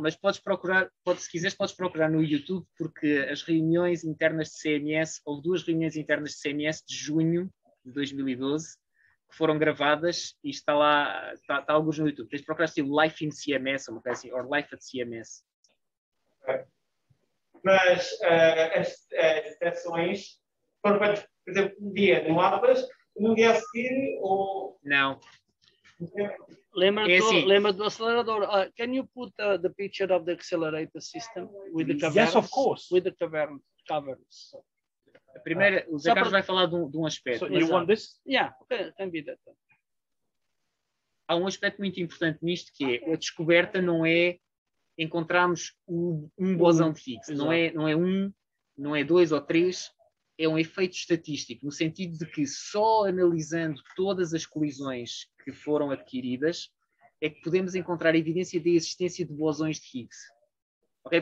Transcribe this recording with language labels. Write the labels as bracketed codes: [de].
[pt] Mas podes procurar, se quiseres, podes procurar no YouTube, porque as reuniões internas de CMS, houve 2 reuniões internas de CMS de junho de 2012, que foram gravadas, e está lá, está alguns no YouTube. Tens de procurar, tipo, Life in CMS, ou uma coisa assim, or Life at CMS. Ok. mas as detecções foram feitas, por exemplo, um dia no Atlas, no dia a seguir, ou... Não. Lembra do acelerador. [en] Can you put the picture of the accelerator system with the caverns? Yes, of course. With the caverns. [pt] A primeira, o Zé Carlos vai falar de um aspecto. [en] So you want this? Yeah, can be that. [pt] Há um aspecto muito importante nisto, que é a descoberta não é encontrarmos um bosão fixo. Não é, não é um, não é dois ou três, é um efeito estatístico, no sentido de que só analisando todas as colisões que foram adquiridas é que podemos encontrar evidência da existência de bosões de Higgs. Okay?